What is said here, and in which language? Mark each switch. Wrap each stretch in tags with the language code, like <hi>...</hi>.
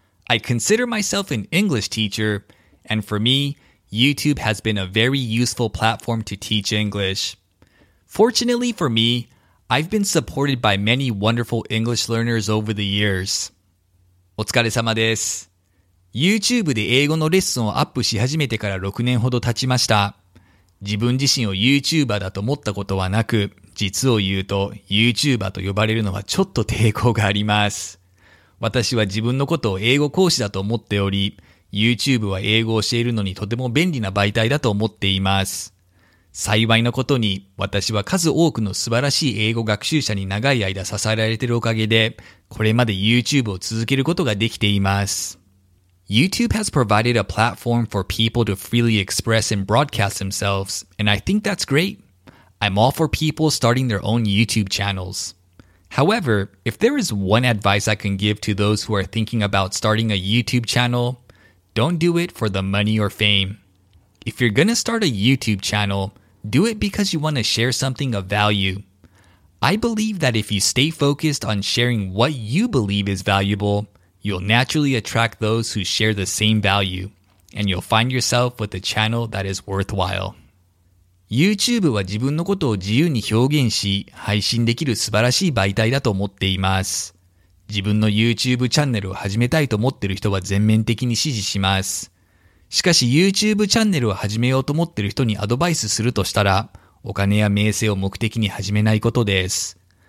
<en>I consider myself an English teacher, and for me, YouTube has been a very useful platform to teach English. Fortunately for me, I've been supported by many wonderful English learners over the years.</en> <ja>お疲れ様です。 YouTube で英語のレッスンをアップし始めてから6年ほど経ちました。自分自身を YouTuber だと思ったことはなく、実を言うと YouTuber と呼ばれるのはちょっと抵抗があります。私は自分のことを英語講師だと思っており、YouTube は英語を教えるのにとても便利な媒体だと思っています。幸いなことに、私は数多くの素晴らしい英語学習者に長い間支えられているおかげで、これまで YouTube を続けることができています。</ja> <en>YouTube has provided a platform for people to freely express and broadcast themselves, and I think that's great. I'm all for people starting their own YouTube channels. However, if there is one advice I can give to those who are thinking about starting a YouTube channel, don't do it for the money or fame. If you're gonna start a YouTube channel, do it because you want to share something of value. I believe that if you stay focused on sharing what you believe is valuable,You'll naturally attract those who share the same value, and you'll find yourself with a channel that is worthwhile.</en> <ja>YouTube は自分のことを自由に表現し、配信できる素晴らしい媒体だと思っています。自分の YouTube チャンネルを始めたいと思っている人は全面的に支持します。しかし YouTube チャンネルを始めようと思っている人にアドバイスするとしたら、お金や名声を目的に始めないことです。</ja>